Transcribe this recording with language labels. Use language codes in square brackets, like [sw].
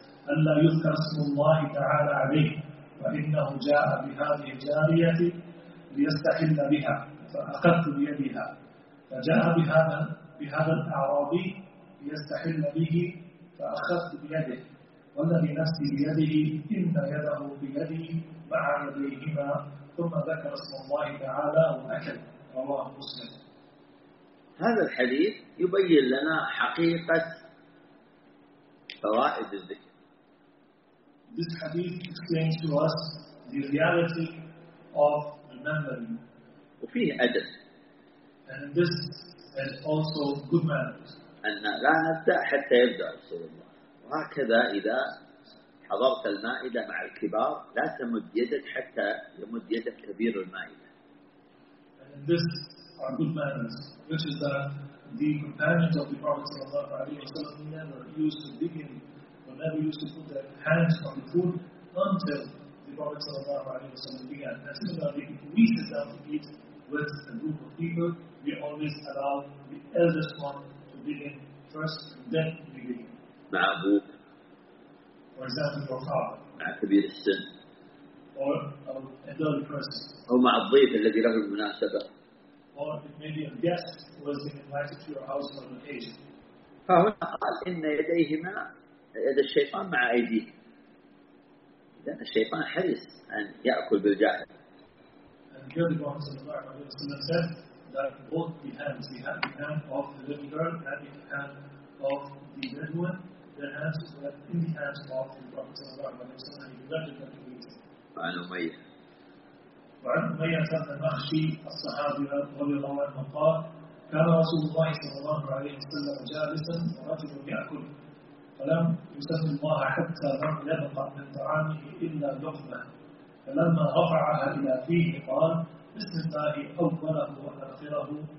[ar] ألا يذكر اسم الله تعالى عليه فإنه جاء بهذه الجارية ليستحل بها فأخذت بيدها فجاء بهذا الأعرابي ليستحل به فأخذت بيده والذي نفسي بيده إن يده بيده مع يديهما ثم ذكر اسم الله تعالى وأكل رواه مسلم. هذا الحديث يبين لنا حقيقة فوائد الذكر. [en] This hadith explains to us the reality of remembering. [ar] وفيه أدب. [en] And this is also good manners. [ar] أن لا نبدأ حتى يبدأ رسول الله. وهكذا إذا حضرت المائدة مع الكبار لا تمد يدك حتى يمد يدك كبير المائدة. [en] And this are good manners, which is that the companions of the Prophet sallallahu alaihi wasallam never used to begin, or never used to put their hands on the food until the Prophet sallallahu alaihi wasallam began. And similarly, if we sit down to eat with a group of people, we always allow the eldest one to begin first, then begin. [ar] مع أبوك. [en] For example, your father. [ar] مع كبير السن. [en] Or an elderly person. [ar] أو مع الضيف الذي له المناسبة. [en] Or it may be a guest who has been invited to your house on occasion. [ar] فهنا قال إن يديهما يد الشيطان مع أيديه. إذا الشيطان حريص أن يأكل بالجاهل. [en] And here the Prophet صلى الله عليه وسلم said that both the hands, the hand of the little girl and the hand of the Bedouin, their hands were in the hands of the Prophet صلى الله عليه وسلم, and he left it at the [ar] وعن أمية. وعن أمية سمع المخشي الصحابي رضي الله عنه قال: كان رسول الله صلى الله عليه وسلم جالسا ورجل يأكل فلم يسمي الله حتى لم يبق من طعامه إلا لقمة, فلما رفعها إلى فيه قال: بسم الله أوله وآخره.